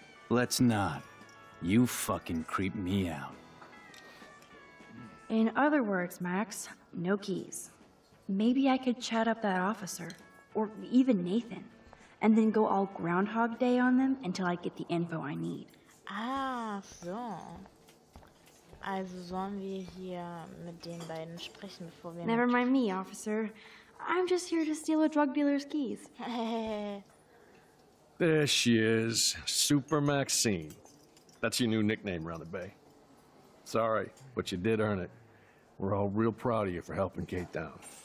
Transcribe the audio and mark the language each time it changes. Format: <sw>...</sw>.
<en>Let's not. You fucking creep me out. In other words, Max, no keys. Maybe I could chat up that officer, or even Nathan, and then go all Groundhog Day on them until I get the info I need.</en> <de>Ah, so. Also sollen wir hier mit den beiden sprechen, bevor wir...</de> <en>Never mind me, officer. I'm just here to steal a drug dealer's keys. There she is, Super Maxine. That's your new nickname around the bay. Sorry, but you did earn it. We're all real proud of you for helping Kate down.</en>